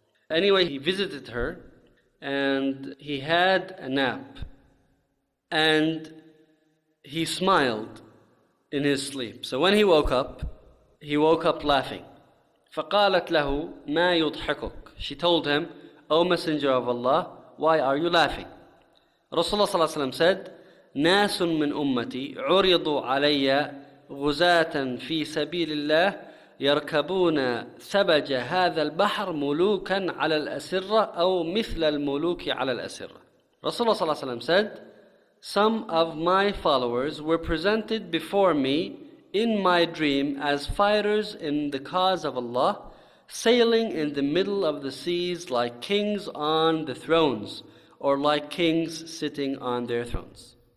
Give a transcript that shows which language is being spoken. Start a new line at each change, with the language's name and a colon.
English: Anyway, he visited her, and he had a nap, and he smiled in his sleep. So when he woke up laughing.
Arabic: فَقَالَتْ لَهُ مَا يُضْحَكُكُ.
English: She told him, O Messenger of Allah, why are you laughing? Rasulullah صلى الله عليه وسلم said,
Arabic: نَاسٌ مِنْ أُمَّتِي عُرِضُوا عَلَيَّ غُزَاتًا فِي سَبِيلِ اللَّهِ يركبون ثبج هذا البحر ملوكا على الأسرة أو مثل الملوك على الأسرة.
English: Rasulullah صلى الله عليه وسلم said, some of my followers were presented before me in my dream as fighters in the cause of Allah, sailing in the middle of the seas like kings on the thrones, or like kings sitting on their thrones.